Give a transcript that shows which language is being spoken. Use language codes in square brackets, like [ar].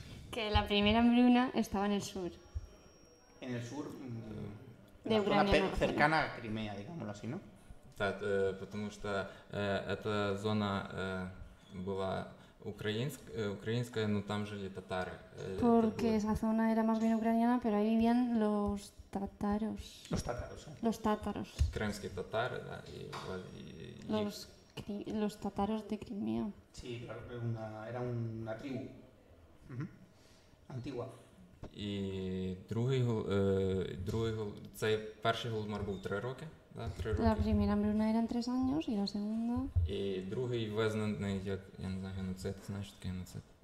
[es] Que la primera hambruna estaba en el sur. En el sur de Ucrania, cercana a Crimea, digámoslo así, ¿no? [ru] Потому что эта зона была украинская, но там жили татары. [es] Porque esa zona era más bien ucraniana, pero ahí vivían los tátaros. Los tátaros. Los tátaros. [ru] Крымские татары, да, [es] Los tátaros de Crimea. Sí, claro, era una tribu antigua. Y [uk] перший голодомор був 3 роки, да, 3 роки. [es] La primera hambruna eran 3 años y la segunda. [uk] И другий визнаний як, я не знаю, геноцид, знаєш, такий геноцид.